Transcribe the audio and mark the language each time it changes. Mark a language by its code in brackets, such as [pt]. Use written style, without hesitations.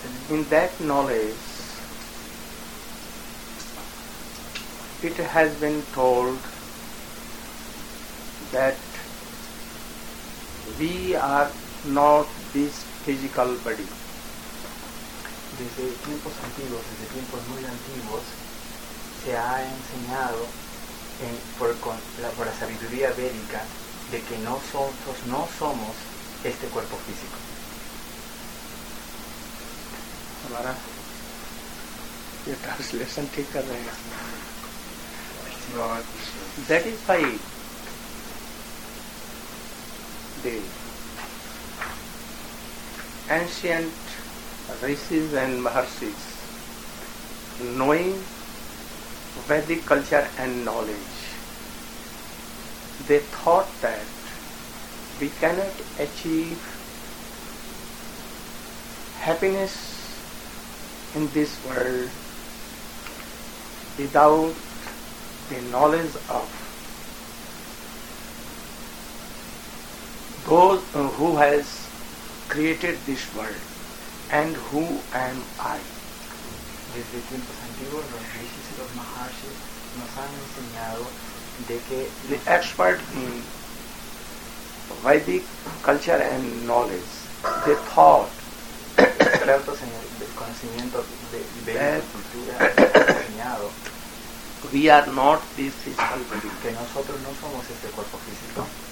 [en] In that knowledge, it has been told that we are not this physical body. [es] Desde tiempos antiguos, desde tiempos muy antiguos, se ha enseñado por la sabiduría védica de que nosotros no somos este cuerpo físico. Ahora, [en] your translation ticker is not. That is why the ancient rishis and maharshis, knowing Vedic culture and knowledge, they thought that we cannot achieve happiness in this world without the knowledge of those who has created this world and who am I. [es] desde tiempos antiguos los rishis y los maharshis nos han enseñado de que [en] the expert in Vedic culture and knowledge, they thought [es] expertos en el conocimiento de la cultura enseñado [en] we are not this physical body, [es] que nosotros no somos este cuerpo físico,